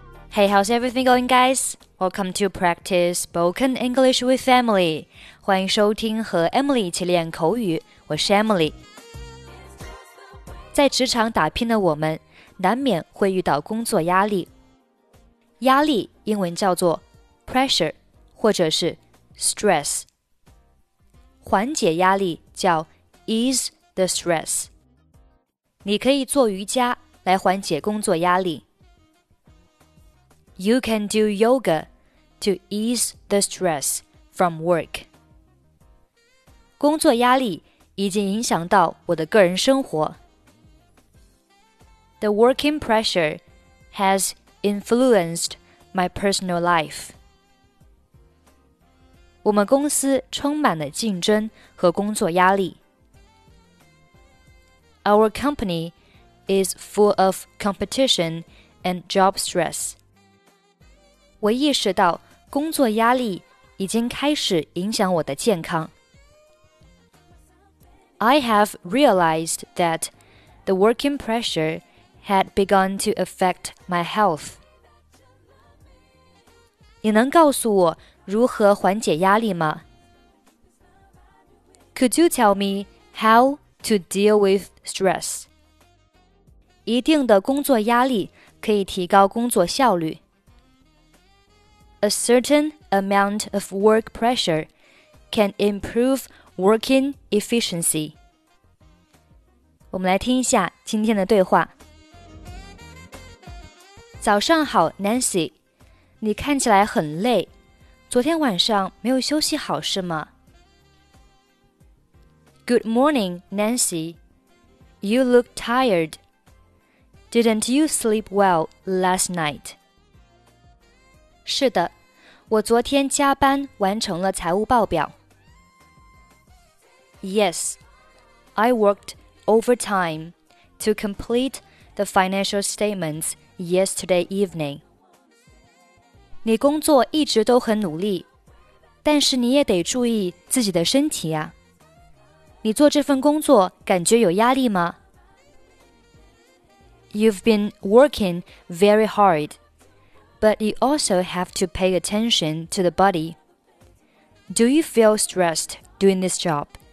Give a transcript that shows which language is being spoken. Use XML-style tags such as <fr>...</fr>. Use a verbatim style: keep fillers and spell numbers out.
<en>Hey, how's everything going, guys? Welcome to practice spoken English with Emily.</en> <zh>欢迎收听和 Emily 一起练口语，我是 Emily。在职场打拼的我们，难免会遇到工作压力。压力英文叫做 pressure 或者是 stress。缓解压力叫</zh> <en>ease the stress。</en> <zh>你可以做瑜伽来缓解工作压力。</zh> <en>You can do yoga to ease the stress from work.</en> <zh>工作压力已经影响到我的个人生活。</zh> <en>The working pressure has influenced my personal life.</en> <zh>我们公司充满了竞争和工作压力。</zh> <en>Our company is full of competition and job stress.</en> <zh>我意识到工作压力已经开始影响我的健康。</zh> <en>I have realized that the working pressure had begun to affect my health.</en> <zh>你能告诉我如何缓解压力吗？</zh> <en>Could you tell me how to deal with stress?</en> <zh>一定的工作压力可以提高工作效率。</zh> <en>A certain amount of work pressure can improve working efficiency.</en> <zh>我们来听一下今天的对话。早上好 Nancy, 你看起来很累，昨天晚上没有休息好是吗？</zh> <en>Good morning, Nancy. You look tired. Didn't you sleep well last night?</en> <zh>是的，我昨天加班完成了财务报表。</zh> <en>Yes, I worked overtime to complete the financial statements yesterday evening.</en> <zh>你工作一直都很努力，但是你也得注意自己的身体啊。你做这份工作感觉有压力吗？</zh> <en>You've been working very hard. But you also have to pay attention to the body. Do you feel stressed doing this job?</en>